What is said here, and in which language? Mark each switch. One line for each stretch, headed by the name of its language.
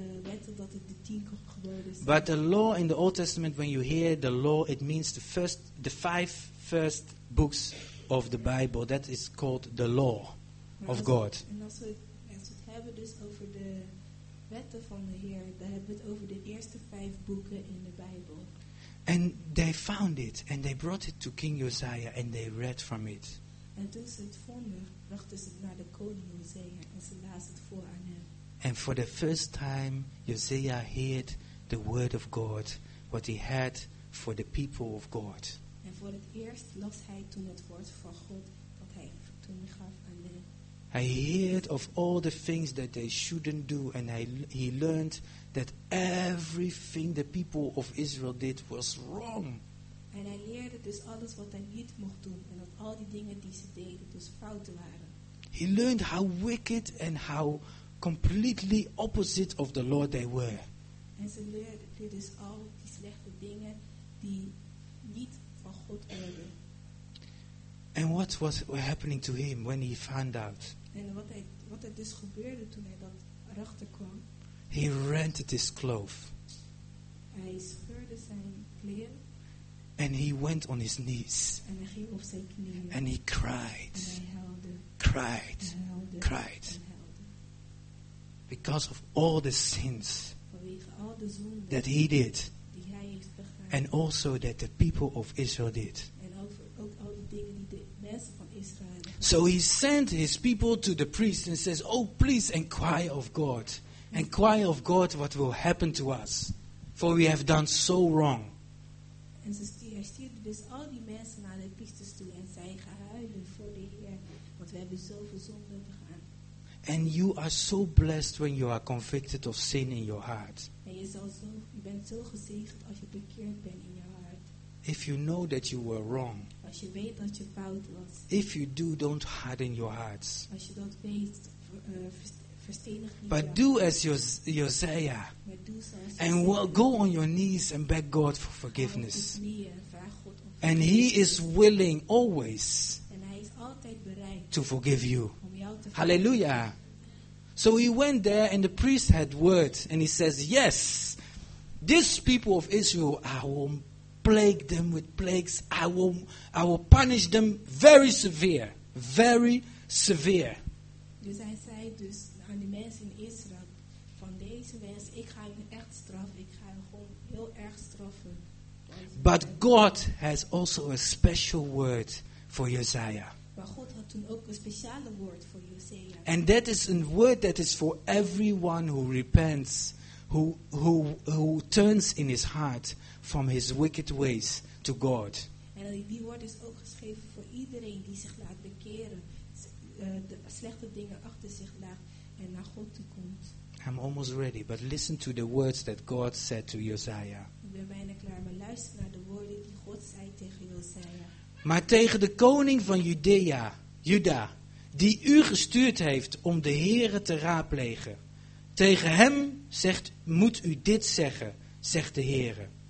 Dutch: regel dat het de tien geboden zijn.
English: But the law in the Old Testament, when you hear the law, it means the first, the five first books of the Bible. That is called the law of God.
Dutch: En als we het hebben dus over de wetten van de Heer, dan hebben we het over de eerste vijf boeken in de Bijbel.
English: And they found it and they brought it to King Uzziah and they read from it.
Dutch: En toen ze het vonden, brachten ze het naar de koning Uzziah en ze lazen het voor aan hem.
English: And for the first time, Uzziah heard the word of God, what he had for the people of God.
Dutch: En voor het eerst las hij toen het woord van God dat hij toen gaf aan hem.
English: He heard of all the things that they shouldn't do and he learned that everything the people of Israel did was wrong.
Dutch: En hij leerde dus alles wat hij niet mocht doen en dat al die dingen die ze deden dus fouten waren.
English: He learned how wicked and how completely opposite of the Lord they were.
Dutch: En ze leerde dus al die slechte dingen die niet van God werden.
English: And what was happening to him when he found out?
Dutch: En wat er dus gebeurde toen hij dat erachter kwam?
English: He rent his cloth.
Dutch: Hij scheurde zijn kleren.
English: And he went on his knees.
Dutch: En hij ging op zijn knieën.
English: And he cried.
Dutch: En hij huilde.
English: Cried.
Dutch: En huilde.
English: Cried.
Dutch: En huilde.
English: Because of all the sins.
Dutch: Vanwege al de zonden.
English: That he did.
Dutch: Die hij heeft begaan.
English: And also that the people of Israel did.
Dutch: En ook al die dingen die de mensen van Israël.
English: So he sent his people to the priest and says, oh please inquire of God. Inquire of God what will happen to us. For we have done so wrong.
Dutch: En hij stuurde dus al die mensen naar de priesters toe en zei, ga huilen voor de Heer, want we hebben zoveel zonden begaan.
English: And you are so blessed when you are convicted of sin in your heart.
Dutch: En je bent zo gezegend als je bekeerd bent in je hart.
English: If you know that you were wrong.
Dutch: Als je weet dat je fout was.
English: If you do, don't harden your hearts.
Dutch: Als je dat weet, verstenig niet.
English: But do as Uzziah. And go on your knees and beg God for forgiveness. And he is willing always.
Dutch: En hij is altijd bereid.
English: To forgive you.
Dutch: Om jou te hallelujah.
English: So he went there and the priest had word. And he says, yes. These people of Israel are home. Plague them with plagues. I will punish them very severe. Very severe.
Dutch: Dus hij zei dus aan de mensen in Israël. Van deze mensen, ik ga hen echt straffen. Ik ga hen gewoon heel erg straffen.
English: But God has also a special word for Uzziah.
Dutch: Maar God had toen ook een speciale woord voor Uzziah.
English: And that is a word that is for everyone who repents. Who turns in his heart from his wicked ways to God.
Dutch: En die woord is ook geschreven voor iedereen die zich laat bekeren, de slechte dingen achter zich laat en naar God toe komt.
English: I'm almost ready, but listen to the words that God said to Uzziah.
Dutch: Ik ben bijna klaar, maar luister naar de woorden die God zei tegen Uzziah. Maar tegen de koning van Judea, Juda, die u gestuurd heeft om de Heere te raadplegen. Tegen hem zegt, moet u dit zeggen, zegt de Heere.